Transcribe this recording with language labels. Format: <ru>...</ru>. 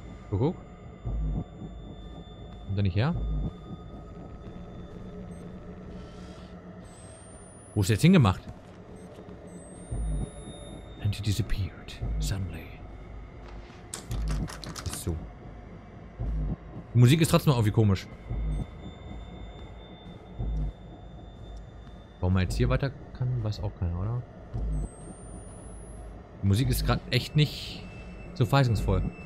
<de>Guck. Kommt da nicht her? Wo ist der jetzt hingemacht?</de> <en>And he disappeared suddenly.</en> <de>Die Musik ist trotzdem irgendwie komisch. Warum man jetzt hier weiter kann, weiß auch keiner, oder? Die Musik ist gerade echt nicht so verheißungsvoll.</de>